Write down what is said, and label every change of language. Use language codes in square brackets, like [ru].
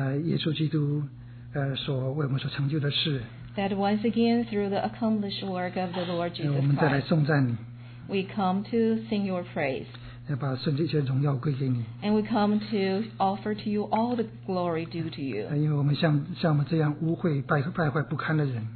[zh] 再一次觉得耶稣基督所为我们所成就的事, [en] that once again through the accomplished work of the Lord Jesus Christ, [zh] 我们再来颂赞你, [en] we come to sing your praise, [zh] 要把圣洁的荣耀归给你, [en] and we come to offer to you all the glory due to you. [zh] 因为我们像我们这样污秽败坏不堪的人,